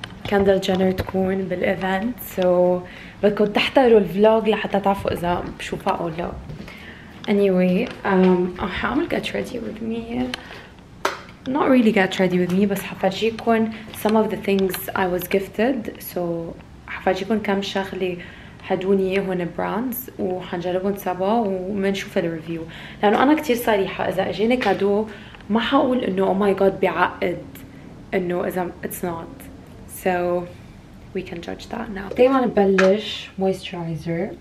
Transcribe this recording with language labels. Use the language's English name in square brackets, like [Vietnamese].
[Arabic] كندل جينر تكون بالإيفنت، سو بدكم تحضروا الفلوج لحتى تعرفوا إذا بشوفها أو لا. [English] Anyway, حعمل get ready with me. Not really get ready with me, بس حفرجيكم some of the things I was gifted. [Arabic] So حفرجيكم كم شغلة هدوني هون براندز وحنجربهم سوا ومنشوف الريفيو، لأنه أنا كتير صريحة إذا أجيني كادو ما حقول إنه oh my god بعقد، إنه إذا it's not. [English] So we can judge that now. دايما ببلش moisturizer.